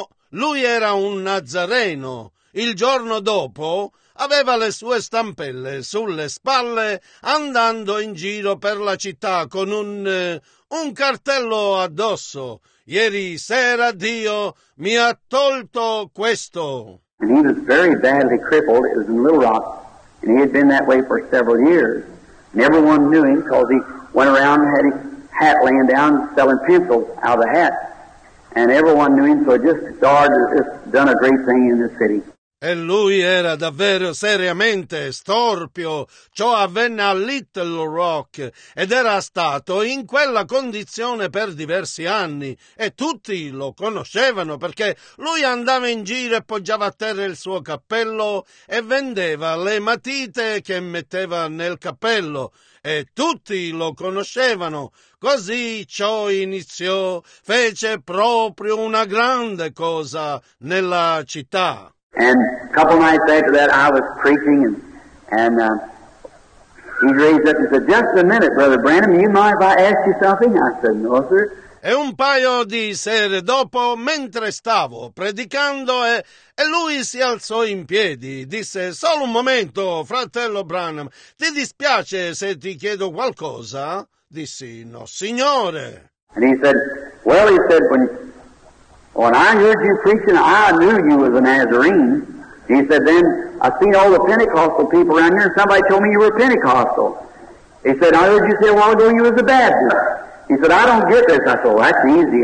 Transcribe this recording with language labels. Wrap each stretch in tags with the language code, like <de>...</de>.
<it>Lui era un Nazareno. Il giorno dopo aveva le sue stampelle sulle spalle andando in giro per la città con un cartello addosso. Ieri sera Dio mi ha tolto questo.</it> <en>And he was very badly crippled. It was in Little Rock. And he had been that way for several years. And everyone knew him because he went around and had his hat laying down selling pencils out of the hat. And everyone knew him, so it just started, it's done a great thing in this city.</en> <it>E lui era davvero seriamente storpio. Ciò avvenne a Little Rock ed era stato in quella condizione per diversi anni. E tutti lo conoscevano perché lui andava in giro e poggiava a terra il suo cappello e vendeva le matite che metteva nel cappello. E tutti lo conoscevano. Così ciò iniziò, fece proprio una grande cosa nella città.</it> <en>And a couple nights after that, I was preaching, and he raised up and said, "Just a minute, Brother Branham, you mind if I ask you something?" I said, "No, sir."</en> <it>E un paio di sere dopo, mentre stavo predicando, e lui si alzò in piedi, disse, "Solo un momento, fratello Branham, ti dispiace se ti chiedo qualcosa?" Dissi, "No, signore."</it> <en>And he said, "Well," he said, "When I heard you preaching, I knew you was a Nazarene." He said, "Then I seen all the Pentecostal people around here, and somebody told me you were Pentecostal." He said, "I heard you say a while ago you was a Baptist." He said, "I don't get this." I said, "Well, that's easy.</en>